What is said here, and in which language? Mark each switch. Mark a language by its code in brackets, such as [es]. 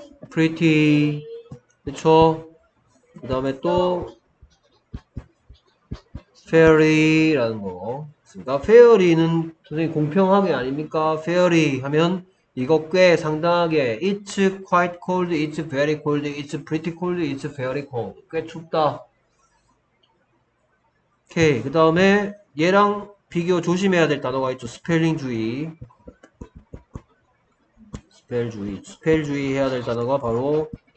[ko] pretty. 그렇죠. 그다음에 또 fairy라는 거. 그러니까 페어리는 선생님 공평하게 아닙니까? 페어리 하면 이거 꽤 상당하게, [en] it's quite cold, it's very cold, it's pretty cold, it's very cold. [ko] 꽤 춥다. 오케이. 그 다음에 얘랑 비교 조심해야 될 단어가 있죠. 스펠링 주의. 스펠 주의. 스펠 주의해야 될 단어가 바로